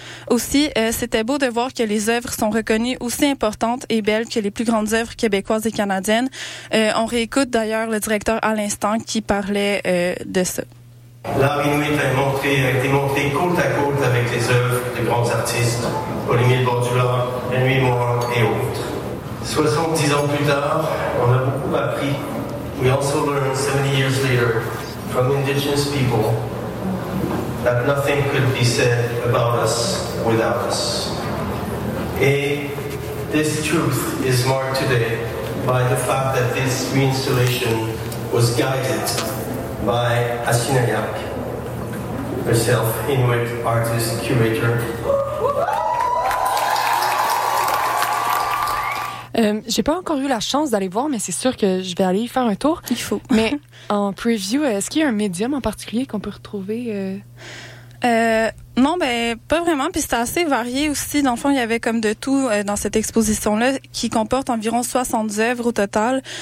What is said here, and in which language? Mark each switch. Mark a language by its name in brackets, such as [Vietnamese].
[French] Aussi, c'était beau de voir que les œuvres sont reconnues aussi importantes et belles que les plus grandes œuvres québécoises et canadiennes. On réécoute d'ailleurs le directeur à l'instant qui parlait de ça. L'art inuit a été montré côte à côte avec les œuvres de grands artistes, Olivier de Bordula, Henry Moore et autres. 70 ans plus tard, on a beaucoup appris. [English] We also learned 70 years later from indigenous people that nothing could be said about us without us. And this truth is marked today by the fact that this reinstallation was guided by Assinaliak, herself, Inuit artist, curator. [French] J'ai pas encore eu la chance d'aller voir, mais c'est sûr que je vais aller y faire un tour. Il faut. Mais en preview, est-ce qu'il y a un médium en particulier qu'on peut retrouver? Non, ben pas vraiment. Puis c'était assez varié aussi. Dans le fond, il y avait comme de tout dans cette exposition-là, qui comporte environ 60 œuvres au total.